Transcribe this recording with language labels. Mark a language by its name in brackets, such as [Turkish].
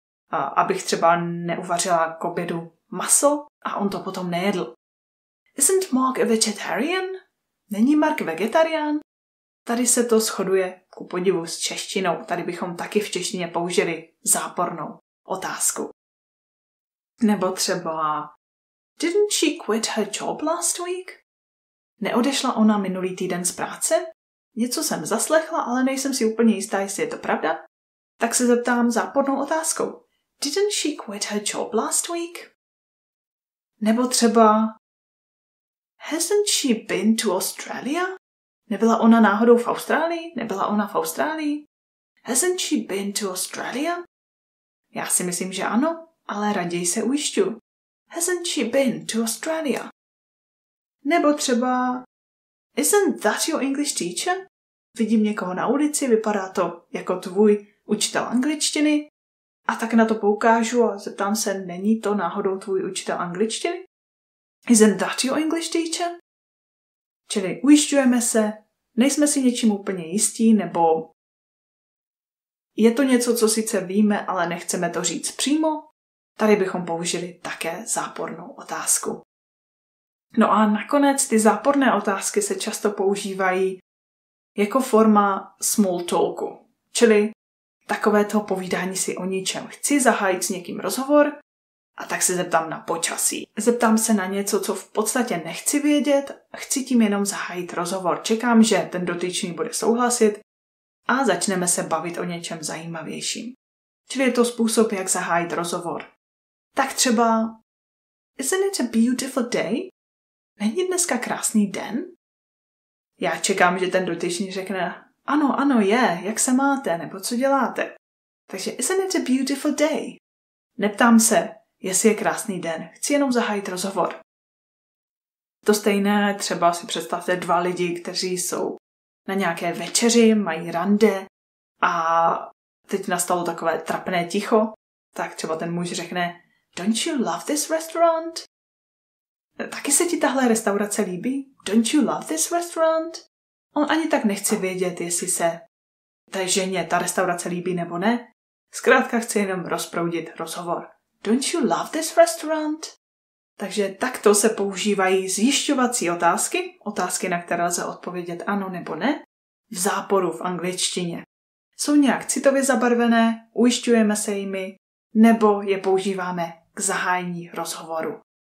[Czech] Abych třeba neuvařila k obědu maso a on to potom nejedl. [English] Isn't Mark a vegetarian? [Czech] Není Mark vegetarian? Tady se to shoduje ku podivu s češtinou. Tady bychom taky v češtině použili zápornou otázku. Nebo třeba [English] didn't she quit her job last week? [Czech] Neodešla ona minulý týden z práce? Něco jsem zaslechla, ale nejsem si úplně jistá, jestli je to pravda. Tak se zeptám zápornou otázkou. [English] Didn't she quit her job last week? [Czech] Nebo třeba [English] hasn't she been to Australia? [Czech] Nebyla ona náhodou v Austrálii? Nebyla ona v Austrálii? [English] Hasn't she been to Australia? [Czech] Já si myslím, že ano, ale raději se ujišťu. [English] Hasn't she been to Australia? [Czech] Nebo třeba [English] isn't that your English teacher? [Czech] Vidím někoho na ulici, vypadá to jako tvůj učitel angličtiny. A tak na to poukážu a zeptám se, není to náhodou tvůj učitel angličtiny? [English] Isn't that your English teacher? [Czech] Čili ujišťujeme se, nejsme si něčím úplně jistí, nebo je to něco, co sice víme, ale nechceme to říct přímo? Tady bychom použili také zápornou otázku. No a nakonec ty záporné otázky se často používají jako forma small talku. Čili takové to povídání si o ničem. Chci zahájit s někým rozhovor a tak se zeptám na počasí. Zeptám se na něco, co v podstatě nechci vědět, chci tím jenom zahájit rozhovor. Čekám, že ten dotyčný bude souhlasit a začneme se bavit o něčem zajímavějším. Čili je to způsob, jak zahájit rozhovor. Tak třeba [English] isn't it a beautiful day? [Czech] Není dneska krásný den? Já čekám, že ten dotyčný řekne ano, ano, je, jak se máte, nebo co děláte. [English] Takže isn't it a beautiful day? [Czech] Neptám se, jestli je krásný den, chci jenom zahájit rozhovor. To stejné, třeba si představte dva lidi, kteří jsou na nějaké večeři, mají rande a teď nastalo takové trapné ticho, tak třeba ten muž řekne [English] don't you love this restaurant? [Czech] Taky se ti tahle restaurace líbí? [English] Don't you love this restaurant? [Czech] On ani tak nechce vědět, jestli se té ženě ta restaurace líbí nebo ne. Zkrátka chce jenom rozproudit rozhovor. [English] Don't you love this restaurant? [Czech] Takže takto se používají zjišťovací otázky, otázky, na které lze odpovědět ano nebo ne, v záporu v angličtině. Jsou nějak citově zabarvené, ujišťujeme se jimi, nebo je používáme k zahájení rozhovoru.